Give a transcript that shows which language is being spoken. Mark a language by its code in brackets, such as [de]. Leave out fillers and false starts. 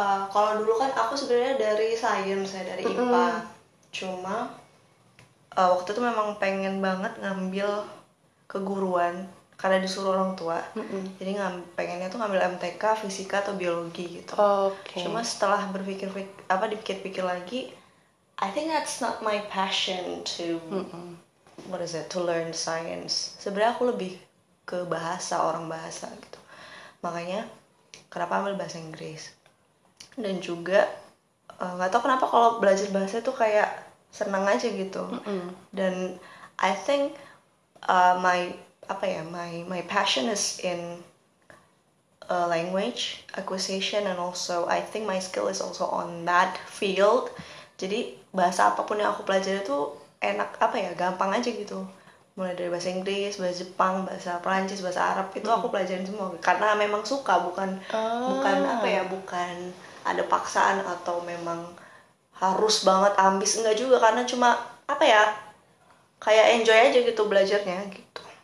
[id] Kalau dulu kan aku sebenarnya dari sains, ya, dari IPA. Cuma, waktu itu memang pengen banget ngambil keguruan. karena disuruh orang tua, jadi pengennya tuh ngambil MTK, fisika atau biologi gitu. Okay. Cuma setelah berpikir apa dipikir-pikir lagi, [en] I think that's not my passion to what is it to learn science. [id] Sebenarnya aku lebih ke bahasa, orang bahasa gitu. Makanya kenapa ambil bahasa Inggris. Dan juga nggak tahu kenapa kalau belajar bahasa itu kayak seneng aja gitu. [en] Dan I think my apa ya my passion is in language acquisition, and also I think my skill is also on that field. [id] Jadi bahasa apapun yang aku pelajari itu enak apa ya gampang aja gitu, mulai dari bahasa Inggris, bahasa Jepang, bahasa Prancis, bahasa Arab itu aku pelajarin semua karena memang suka, bukan bukan apa ya, bukan ada paksaan atau memang harus banget ambis, enggak juga, karena cuma apa ya kayak enjoy aja gitu belajarnya gitu.